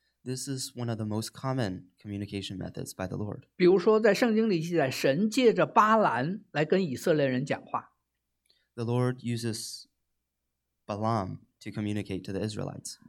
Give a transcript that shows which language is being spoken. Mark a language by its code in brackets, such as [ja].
[en] This is one of the most common communication methods by the Lord. [zh] 比如说在圣经里记载，神借着巴兰来跟以色列人讲话。 [en] The Lord uses Balaam to communicate to the Israelites.